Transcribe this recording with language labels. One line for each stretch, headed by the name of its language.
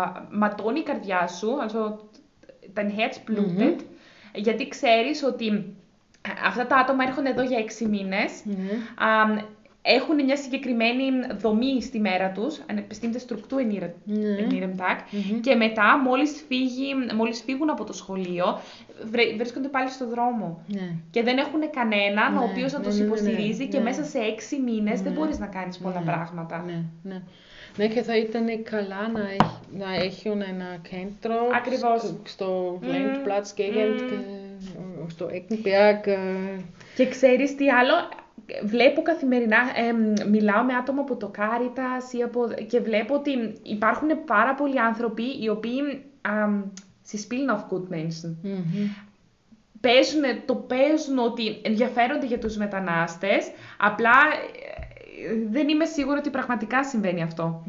Greek: Ματώνει η καρδιά σου,
German: also, dein Herz blutet,
Greek: γιατί ξέρεις ότι αυτά τα άτομα έρχονται εδώ για 6 μήνες, έχουν μια συγκεκριμένη δομή στη μέρα τους,
German: eine bestimmte Struktur in ihrem Tag,
Greek: και μετά μόλις φύγουν από το σχολείο, βρίσκονται πάλι στο δρόμο. Και δεν έχουν κανέναν ο οποίος να τους υποστηρίζει, και μέσα σε 6 μήνες δεν μπορείς να κάνεις πολλά πράγματα. Ναι, και θα ήταν καλά να έχουν ένα κέντρο. Ακριβώς. Στο Landplatz Gegend, στο Eckenberg. Και ξέρεις τι άλλο, βλέπω καθημερινά, μιλάω με άτομα από το Caritas και βλέπω ότι υπάρχουν πάρα πολλοί άνθρωποι οι οποίοι σε
German: spielen auf gut Menschen.
Greek: Παίζουν ότι ενδιαφέρονται για τους μετανάστες, απλά δεν είμαι σίγουρη ότι πραγματικά συμβαίνει αυτό.